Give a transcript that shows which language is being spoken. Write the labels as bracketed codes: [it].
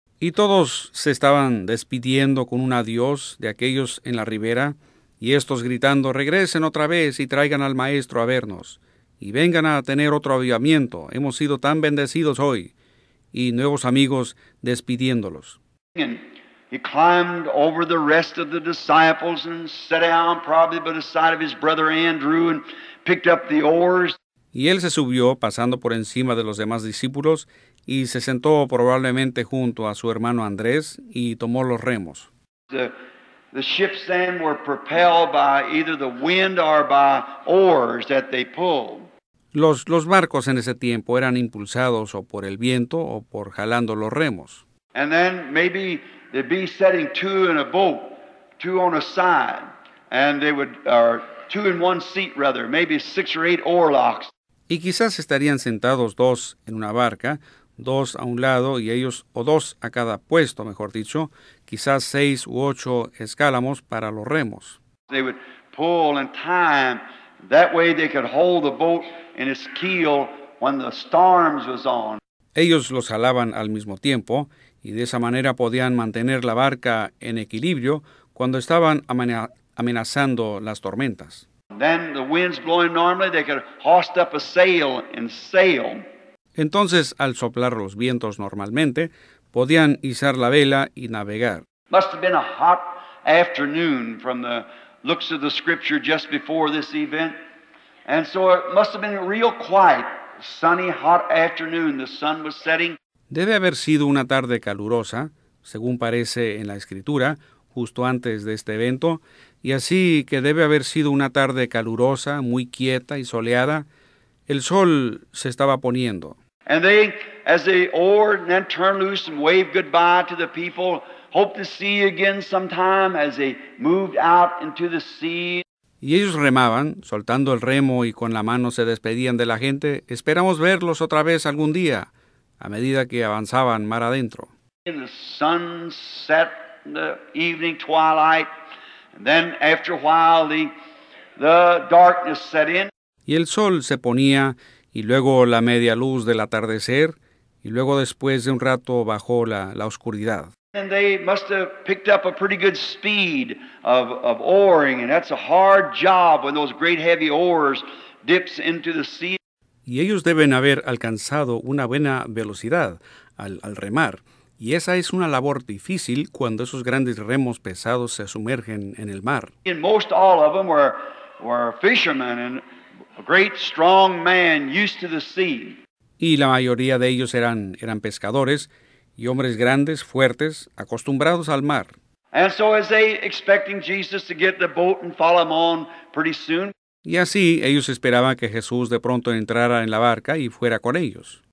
[es] Y todos se estaban despidiendo con un adiós de aquellos en la ribera, y estos gritando, regresen otra vez y traigan al maestro a vernos, y vengan a tener otro avivamiento. Hemos sido tan bendecidos hoy. Y nuevos amigos despidiéndolos. [en] And he climbed over the rest of the disciples and sat down probably by the side of his brother Andrew and picked up the oars. [es] Y él se subió pasando por encima de los demás discípulos y se sentó probablemente junto a su hermano Andrés y tomó los remos. [en] The ships then were propelled by either the wind or by oars that they pulled. [es] Los barcos en ese tiempo eran impulsados o por el viento o por jalando los remos. [en] And then maybe there'd be setting two in a boat, two on a side, and they would, or two in one seat rather, maybe six or eight oarlocks. [es] Y quizás estarían sentados dos en una barca, dos a un lado y ellos, o dos a cada puesto, mejor dicho, quizás seis u ocho escálamos para los remos. [en] They would pull and time, that way they could hold the boat in its keel when the storms was on. [es] Ellos los jalaban al mismo tiempo, y de esa manera podían mantener la barca en equilibrio cuando estaban amenazando las tormentas. [en] Then the wind's blowing normally, they could hoist up a sail and sail. [es] Entonces, al soplar los vientos normalmente, podían izar la vela y navegar. [en] Must have been a hot afternoon from the looks of the scripture just before this event. And so it must have been real quiet, sunny, hot afternoon. The sun was setting. [es] Debe haber sido una tarde calurosa, según parece en la escritura, justo antes de este evento. Y así que debe haber sido una tarde calurosa, muy quieta y soleada, el sol se estaba poniendo. [en] And they, as they oared and then turned loose and waved goodbye to the people, hoped to see you again sometime as they moved out into the sea. [es] Y ellos remaban, soltando el remo y con la mano se despedían de la gente. Esperamos verlos otra vez algún día, a medida que avanzaban mar adentro. [en] And the sun set in the evening twilight, and then after a while the darkness set in. [es] Y el sol se ponía, y luego la media luz del atardecer, y luego después de un rato bajó la oscuridad. [en] And they must have picked up a pretty good speed of oaring, and that's a hard job when those great heavy oars dips into the sea. [es] Y ellos deben haber alcanzado una buena velocidad al remar, y esa es una labor difícil cuando esos grandes remos pesados se sumergen en el mar. [en] And most all of them were fishermen and a great strong man used to the sea. [es] Y la mayoría de ellos eran pescadores y hombres grandes, fuertes, acostumbrados al mar. [en] And so as they expecting Jesus to get the boat and follow him on pretty soon. [es] Y así ellos esperaban que Jesús de pronto entrara en la barca y fuera con ellos.